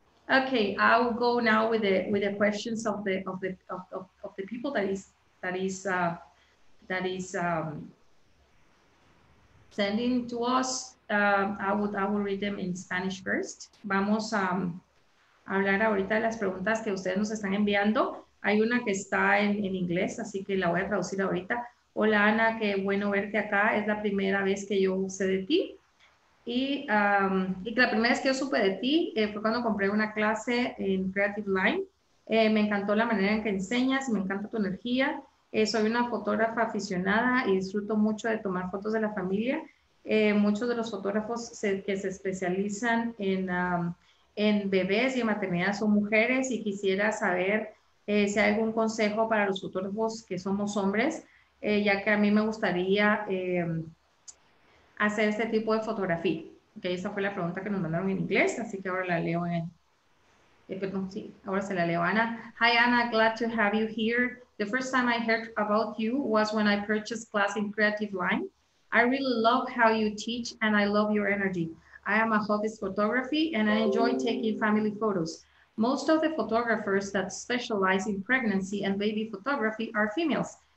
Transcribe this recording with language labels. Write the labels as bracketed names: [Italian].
[English] Okay, I'll go now with the questions of the people that is sending to us. I will read them in Spanish first. [Spanish] Vamos a hablar ahorita de las preguntas que ustedes nos están enviando. Hay una que está en inglés, así que la voy a traducir ahorita. Hola Ana, qué bueno verte acá. Es la primera vez que yo sé de ti. Y que la primera vez que yo supe de ti fue cuando compré una clase en Creative Line. Me encantó la manera en que enseñas, me encanta tu energía. Soy una fotógrafa aficionada y disfruto mucho de tomar fotos de la familia. Muchos de los fotógrafos que se especializan en bebés y en maternidad son mujeres y quisiera saber si hay algún consejo para los fotógrafos que somos hombres, ya que a mí me gustaría hacer este tipo de fotografía. Ok, esa fue la pregunta que nos mandaron en inglés, así que ahora la leo en. Perdón, sí, ahora se la leo a Ana. [English] Hi Ana, glad to have you here. The first time I heard about you was when I purchased class in Creative Line. I really love how you teach and I love your energy. I am a hobby photography and I enjoy taking family photos. Most of the photographers that specialize in pregnancy and baby photography are females.